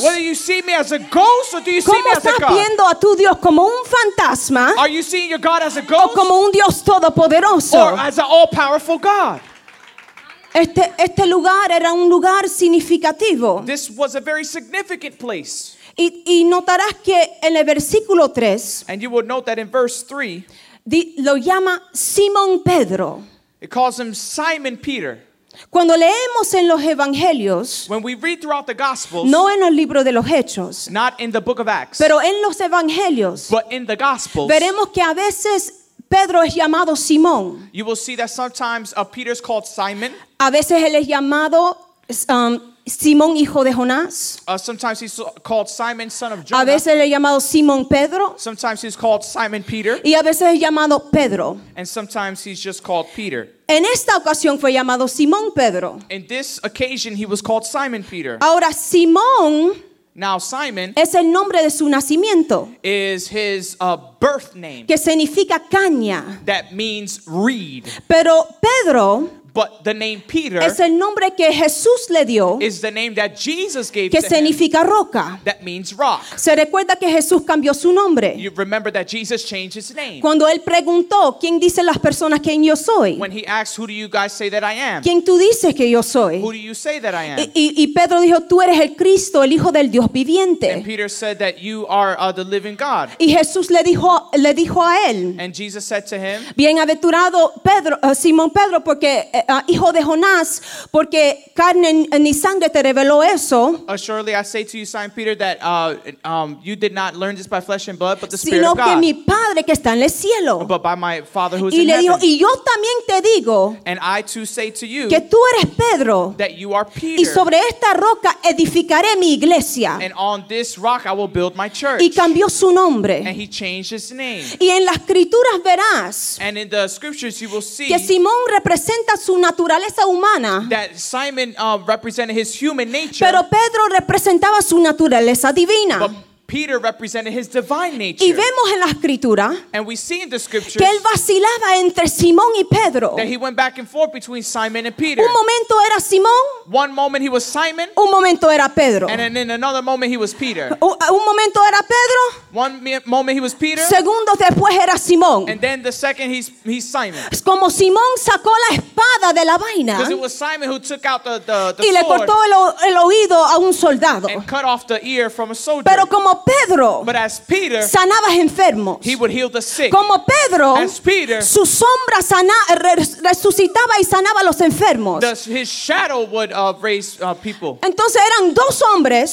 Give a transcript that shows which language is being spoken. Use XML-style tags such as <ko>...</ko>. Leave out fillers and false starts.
<en>Whether you see me as a ghost or do you see me as a God?</en> <es>¿Cómo estás viendo a tu Dios como un fantasma?</es> <en>Are you seeing your God as a ghost,</en> <es>o como un Dios todopoderoso,</es> <en>or as an all-powerful God.</en> <es>Este lugar era un lugar significativo.</es> <en>This was a very significant place.</en> <es>Y notarás que en el versículo 3,</es> <en>and you will note that in verse 3,</en> <es>lo llama Simón Pedro.</es> <en>It calls him Simon Peter.</en> <es>Cuando leemos en los evangelios,</es> <en>when we read throughout the gospels,</en> <es>no en el libro de los hechos,</es> <en>not in the book of Acts,</en> <es>pero en los evangelios,</es> <en>but in the gospels,</en> <es>veremos que a veces Pedro es llamado Simón.</es> <en>You will see that sometimes Peter is called Simon.</en> <es>A veces él es llamado Simón hijo de Jonás.</es> <en>Sometimes he's called Simon son of Jonah.</en> <es>A veces él es llamado Simón Pedro.</es> <en>Sometimes he's called Simon Peter.</en> <es>Y a veces es llamado Pedro.</es> <en>And sometimes he's just called Peter.</en> <es>En esta ocasión fue llamado Simón Pedro.</es> <en>In this occasion he was called Simon Peter.</en> <es>Ahora Simón.</es> <en>Now Simon.</en> <es>Es el nombre de su nacimiento.</es> <en>Is his birth name.</en> <es>Que significa caña.</es> <en>That means reed.</en> <es>Pero Pedro.</es> <en>But the name Peter</en> <es>es el nombre que Jesús le dio,</es> <en>is the name that Jesus gave</en> <es>que</es> <en>to</en> <es>significa</es> <en>him,</en> <es>roca.</es> <en>That means rock.</en> <es>Se recuerda que Jesús cambió su nombre.</es> <en>You remember that Jesus changed his name.</en> <es>Cuando él preguntó, ¿quién dicen las personas quién yo soy?</es> <en>When he asked, who do you guys say that I am?</en> <es>¿Quién tú dices que yo soy?</es> <en>Who do you say that I am?</en> <es>Y Pedro dijo, tú eres el Cristo, el Hijo del Dios viviente.</es> <en>And Peter said that you are the living God.</en> <es>Y Jesús le dijo a él,</es> <en>and Jesus said to him,</en> <es>bienaventurado Pedro, Simón Pedro, porque hijo de Jonás, porque carne ni sangre te reveló eso.</es> <en>Assuredly, I say to you, Simon Peter, that you did not learn this by flesh and blood, but the Spirit of God.</en> <es>Sino que mi Padre que está en el cielo.</es> <en>But by my Father who is in heaven.</en> <es>Y le dijo, y yo también te digo.</es> <en>And I too say to you.</en> <es>Que tú eres Pedro.</es> <en>That you are Peter.</en> <es>Y sobre esta roca edificaré mi iglesia.</es> <en>And on this rock I will build my church.</en> <es>Y cambió su nombre.</es> <en>And he changed his name.</en> <es>Y en las escrituras verás.</es> <en>And in the scriptures you will see.</en> <es>Que Simón representa su naturaleza humana.</es> <en>That Simon represented his human nature.</en> <es>Pero Pedro representaba su naturaleza divina.</es> <en>But Peter represented his divine nature.</en> <es>Y vemos en la escritura.</es> <en>And we see in the scriptures.</en> <es>Que él vacilaba entre Simón y Pedro.</es> <en>That he went back and forth between Simon and Peter.</en> <es>Un momento era Simón.</es> <en>One moment he was Simon.</en> <es>Un momento era Pedro.</es> <en>And then in another moment he was Peter.</en> <es>Un momento era Pedro.</es> <en>One moment he was Peter.</en> <es>Segundos después era Simón.</es> <en>And then the second he's Simon.</en> <es>Es como Simón sacó la espada de la vaina.</es> <en>Because it was Simon who took out the</en> <es>y</es> <en>sword.</en> <es>Y le cortó el oído a un soldado.</es> <en>And cut off the ear from a soldier.</en> <es>Pero como Pedro.</es> <en>But as Peter.</en> <es>Sanaba enfermos.</es> <en>He would heal the sick.</en> <es>Como Pedro.</es> <en>As Peter.</en> <es>Su sombra resucitaba y sanaba los enfermos.</es> <en>His shadow would raise people.</en> <es>Entonces eran dos hombres.</es>